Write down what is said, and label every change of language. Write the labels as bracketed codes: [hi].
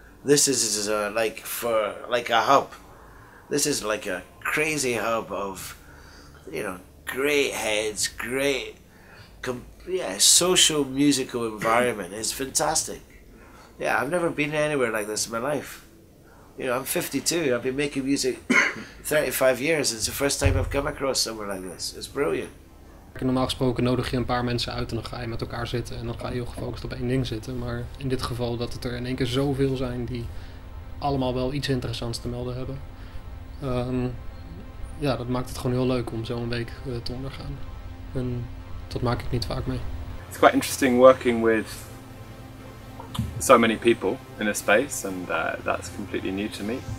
[en] This is a, like for, like a hub. This is like a crazy hub of, you know, great heads, great, social musical environment. It's fantastic. Yeah, I've never been anywhere like this in my life. You know, I'm 52, I've been making music 35 years. It's the first time I've come across somewhere like this. It's brilliant. [nl] Normaal gesproken nodig je een paar mensen uit en dan ga je met elkaar zitten en dan ga je heel gefocust op één ding zitten. Maar in dit geval dat het er in één keer zoveel zijn die allemaal wel iets interessants te melden hebben. Ja, dat maakt het gewoon heel leuk om zo'n week te ondergaan. En dat maak ik niet vaak mee. [en] It's quite interesting working with so many people in a space, and that's completely new to me.